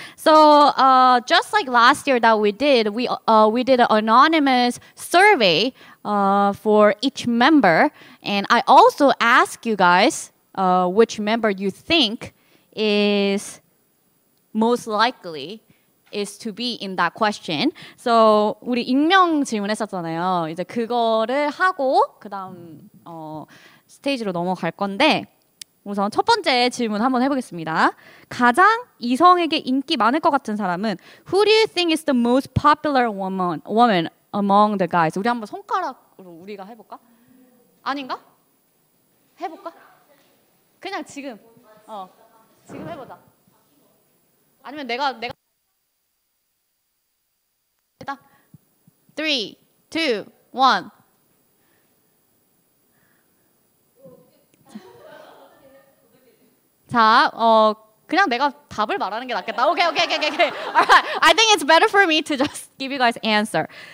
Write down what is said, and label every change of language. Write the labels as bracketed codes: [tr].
[en] So just like last year that we did, we did an anonymous survey for each member, and I also ask you guys which member you think is most likely is to be in that question. [ko] So 우리 익명 질문했었잖아요. 이제 그거를 하고 그다음 스테이지로 넘어갈 건데 우선 첫 번째 질문 한번 해보겠습니다. 가장 이성에게 인기 많을 것 같은 사람은 [en] Who do you think is the most popular woman among the guys? [ko] 우리 한번 손가락 우리가 해볼까? 아닌가? 해볼까? 그냥 지금 지금 해보자. 아니면 내가 3, 2, 1 자, 그냥 내가 답을 말하는 게 낫겠다. 오케이. [en] Alright, I think it's better for me to just give you guys answer.